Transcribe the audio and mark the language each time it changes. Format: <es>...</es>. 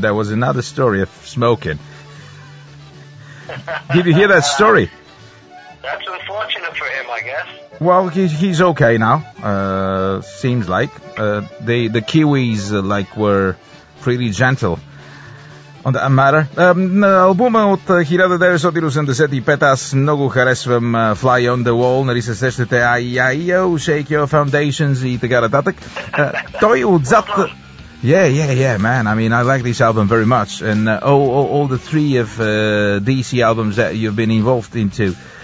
<en>There was another story of smoking. Did you hear that story? That's unfortunate for him, I guess. Well, he's okay now, seems like. The Kiwis, were pretty gentle on that matter.</en> <bg>Албума от 1985, аз много харесвам Fly on the Wall, нали се сещате, Shake Your Foundations и така нататък. Той отзад...</bg> <en>Yeah, man. I mean, I like this album very much. And all the three of DC albums that you've been involved into.</en>